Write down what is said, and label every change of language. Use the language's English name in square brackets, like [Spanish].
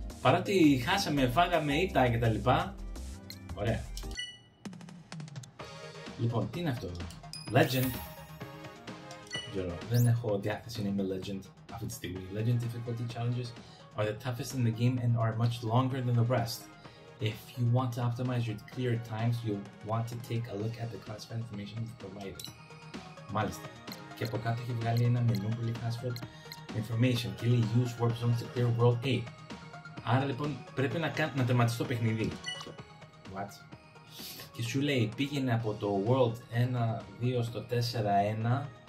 [Greek] Παρότι χάσαμε, φάγαμε ήττα και τα λοιπά. Ωραία. Λοιπόν, τι είναι αυτό εδώ. Legend. Ξέρω, δεν έχω διάθεση να είμαι legend αυτή τη στιγμή. [English] Legend difficulty challenges are the toughest in the game and are much longer than the rest. If you want to optimize your clear times, you'll want to take a look at the classified information provided. [Greek] Μάλιστα. Και από κάτω έχει βγάλει ένα μενού που λέει classified information και λέει [English] use warp zones to clear world 8. [Greek] Άρα λοιπόν πρέπει να τερματίσει το παιχνίδι. What? Και σου λέει πήγαινε από το world 1-2 στο 4-1.